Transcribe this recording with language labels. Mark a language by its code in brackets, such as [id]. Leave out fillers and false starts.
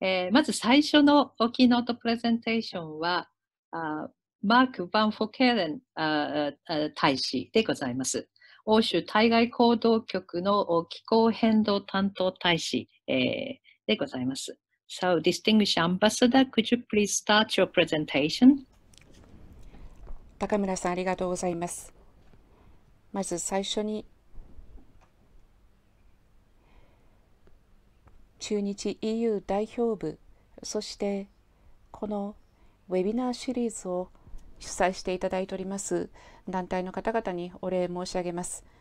[ja] まず最初のキーノートプレゼンテーションは、マーク・ヴァン・フォーケーレン大使でございます。欧州対外行動局の気候変動担当大使でございます。 [en] So, distinguished ambassador, could you please start your presentation? [ja] 高村さん、ありがとうございます。まず最初に、駐日 EU 代表部、そしてこのウェビナーシリーズを主催していただいております団体の方々にお礼申し上げます。